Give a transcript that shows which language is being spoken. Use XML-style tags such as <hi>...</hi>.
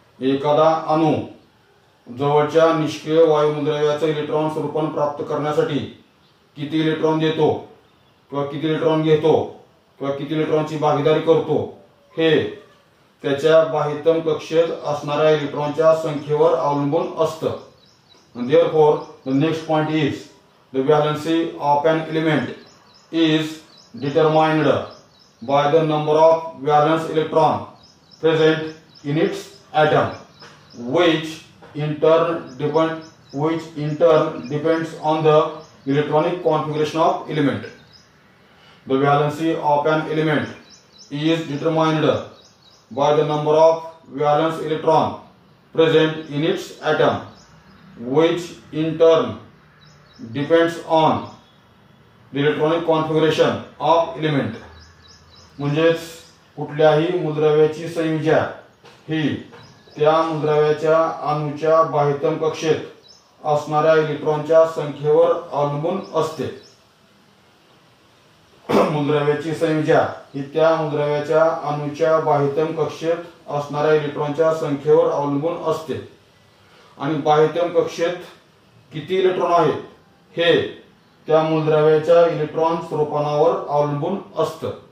<mr>एखादा अणू जवळच्या निष्क्रिय वायू मूलद्रव्याचं इलेक्ट्रॉन स्वरूपन प्राप्त करण्यासाठी किती इलेक्ट्रॉन देतो किंवा किती इलेक्ट्रॉन घेतो किंवा किती इलेक्ट्रॉनची भागीदारी करतो हे त्याच्या बाह्यतम कक्षेत असणाऱ्या इलेक्ट्रॉनच्या संख्येवर अवलंबून असतं.</mr> <en>Therefore the next point is the valency of an element is determined by the number of valence electron present in its atom which in turn depends on the electronic configuration of element. The valency of an element is determined by the number of valence electron present in its atom which in turn depends on the electronic configuration of element.</en> <mr>म्हणजे कुठल्याही मूलद्रव्याची संयुज्या ही त्या मूलद्रव्याच्या अणूच्या बाह्यतम कक्षेत असणाऱ्या इलेक्ट्रॉनच्या संख्येवर अवलंबून असते. मूलद्रव्याची संयुज्या ही त्या मूलद्रव्याच्या अणूच्या बाह्यतम कक्षेत असणाऱ्या इलेक्ट्रॉनच्या संख्येवर अवलंबून असते आणि बाह्यतम कक्षेत किती इलेक्ट्रॉन आहेत हे त्या मूलद्रव्याच्या इलेक्ट्रॉन स्वरूपनावर अवलंबून असतं.</mr>